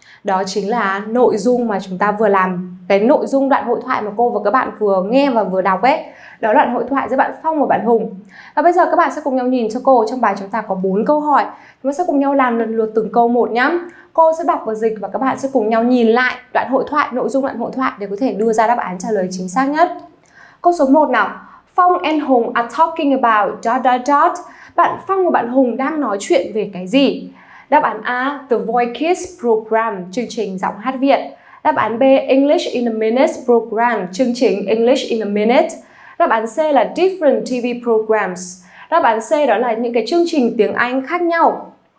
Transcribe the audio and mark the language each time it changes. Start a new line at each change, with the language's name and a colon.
Vietnamese: Đó chính là nội dung mà chúng ta vừa làm, cái nội dung đoạn hội thoại mà cô và các bạn vừa nghe và vừa đọc ấy. Đó là đoạn hội thoại giữa bạn Phong và bạn Hùng. Và bây giờ các bạn sẽ cùng nhau nhìn cho cô, trong bài chúng ta có 4 câu hỏi. Chúng ta sẽ cùng nhau làm lần lượt từng câu một nhá. Cô sẽ đọc và dịch và các bạn sẽ cùng nhau nhìn lại đoạn hội thoại, nội dung đoạn hội thoại để có thể đưa ra đáp án trả lời chính xác nhất. Câu số 1 nào.
English: Phong and Hùng are talking about dot dot dot.
Vietnamese: Bạn Phong và bạn Hùng đang nói chuyện về cái gì? Đáp án A, The Voice Kids Program, chương trình giọng hát Việt. Đáp án B, English in a Minute Program, chương trình English in a Minute. Đáp án C là
English: Different TV Programs.
Vietnamese: Đáp án C đó là những cái chương trình tiếng Anh khác nhau.